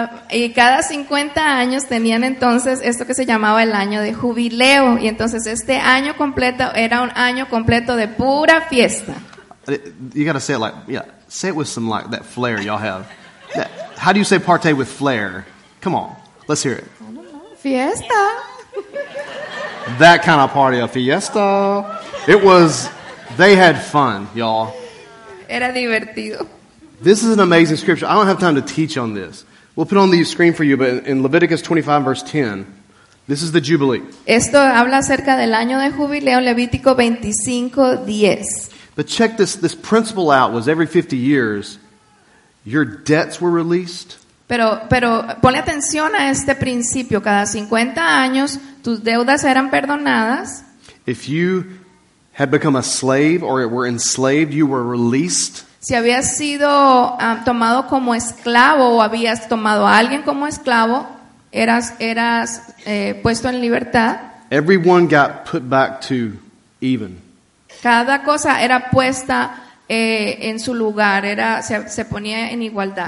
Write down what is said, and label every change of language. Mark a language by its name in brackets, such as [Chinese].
[Spanish] Y cada 50 años tenían entonces esto que se llamaba el año de jubileo. Y entonces este año completo era un año completo de pura fiesta. [English] You gotta say it like, yeah, say it with some like that flair y'all have. Yeah. How do you say party with flair? Come on, let's hear it. I don't know. Fiesta. That kind of party, a fiesta. It was, they had fun, y'all. [Spanish] Era divertido. [English] This is an amazing scripture. I don't have time to teach on this. We'll put on the screen for you, but in Leviticus 25, verse 10, this is the Jubilee. [Spanish] Esto habla acerca del año de jubileo, Levítico 25, 10. [English] But check this principle out. Was every 50 years, your debts were released. [Spanish] Pero ponle atención a este principio. Cada 50 años, tus deudas eran perdonadas. [English] If you had become a slave or were enslaved, you were released. [Spanish] Si habías sido tomado como esclavo o habías tomado a alguien como esclavo, eras puesto en libertad. [English] Everyone got put back to even. [Spanish] Cada cosa era puesta en su lugar, era, se ponía en igualdad.